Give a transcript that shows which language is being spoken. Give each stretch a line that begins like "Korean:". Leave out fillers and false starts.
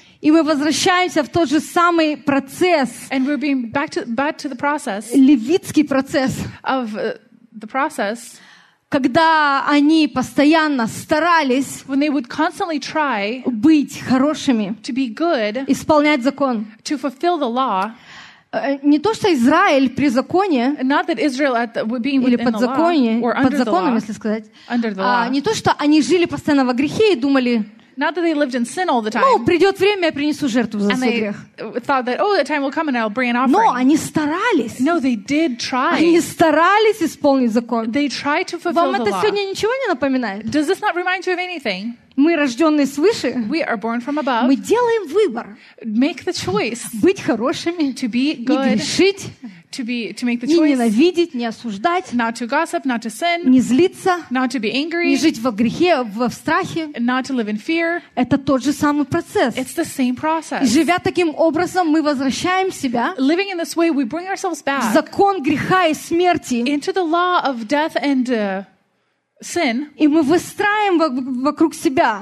Russian: И мы возвращаемся в тот же самый процесс.
English: And we're being back to the process.
Russian: Левитский процесс.
English: Of the process.
Russian: Когда они постоянно старались.
English: When they would constantly try.
Russian: Быть хорошими.
English: To be good.
Russian: Исполнять закон.
English: To fulfill the law.
Russian: Не то, что Израиль при законе,
English: not that Israel at the, being
Russian: или под, законе,
English: the law,
Russian: под законом,
English: law,
Russian: если сказать.
English: Under the law.
Russian: Не то, что они жили постоянно во грехе и думали,
English: not that they lived in sin all the time.
Russian: Ну, придет время, я принесу жертву за свой грех.
English: Thought that, oh, the time will come and I'll bring an offering.
Russian: Но они старались.
English: No, they did try.
Russian: Они старались исполнить закон.
English: They tried to fulfill the law.
Russian: Вам это сегодня ничего не напоминает?
English: Does this not remind you of anything?
Russian: Мы рожденные свыше.
English: We are born from above.
Russian: Мы делаем выбор.
English: Make the choice.
Russian: Быть хорошими.
English: To be good.
Russian: Не грешить.
English: To make the choice.
Russian: Не ненавидеть, не осуждать.
English: Not to gossip, not to sin.
Russian: Не злиться.
English: Not to be angry.
Russian: Не жить во грехе, во страхе.
English: Not to live in fear.
Russian: Это тот же самый процесс.
English: It's the same process.
Russian: И живя таким образом, мы возвращаем себя.
English: Living in this way, we bring ourselves back.
Russian: Закон греха и смерти.
English: Into the law of death and sin.
Russian: И мы выстраиваем вокруг себя.